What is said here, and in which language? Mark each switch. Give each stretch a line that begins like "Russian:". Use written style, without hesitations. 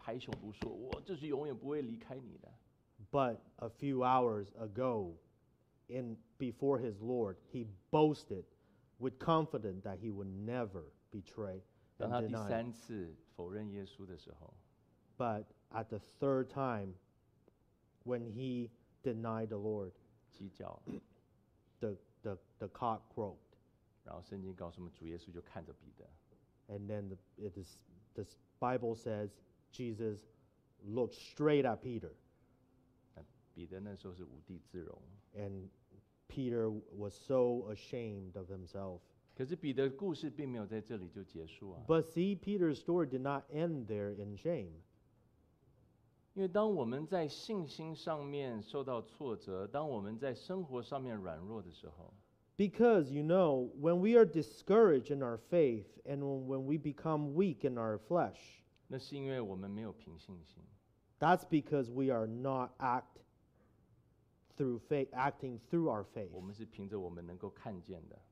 Chinese: 几个小时之前，他才在他的主的面前拍胸脯说：“我就是永远不会离开你的。”
English: But a few hours ago, in before his Lord, he boasted with confidence that he would never betray and deny.
Chinese: 当他第三次否认耶稣的时候，
English: But at the third time, when he denied the Lord,
Chinese: 计较。
English: The cock crowed.
Chinese: 然后圣经告诉我们，主耶稣就看着彼得。
English: And then the it is the Bible says Jesus looked straight at Peter.
Chinese: 彼得那时候是无地自容。
English: And Peter was so ashamed of himself.
Chinese: 可是彼得故事并没有在这里就结束啊。
English: But see, Peter's story did not end there in shame.
Chinese: 因为当我们在信心上面受到挫折，当我们在生活上面软弱的时候，
English: Because, you know, when we are discouraged in our faith and when we become weak in our flesh,
Chinese: 那是因为我们没有凭信心。
English: That's because we are not acting through our faith.
Chinese: 我们是凭着我们能够看见的。